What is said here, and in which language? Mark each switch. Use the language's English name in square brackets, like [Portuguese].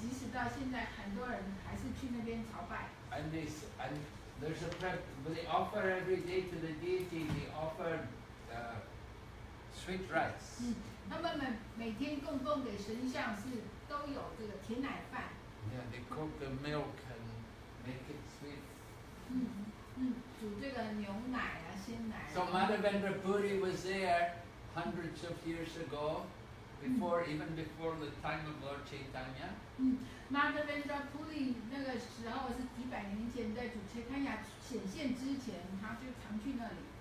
[Chinese] 那个神像非常有名，即使到现在，很多人还是去那边朝拜。 [English] And there's a they offer every day to the deity. They offer sweet rice. [Chinese] 他们每天供奉给神像是都有这个甜奶饭。 [English] Yeah, they cook the milk and make it sweet. [Chinese] 煮这个牛奶啊，鲜奶。 [English] So Madhavendra Puri was there hundreds of years ago. Before, even before the time of Lord Chaitanya. [Chinese] Madhavendra Puri, 那个时候是几百年前，在主切开牙显现之前，他就常去那里。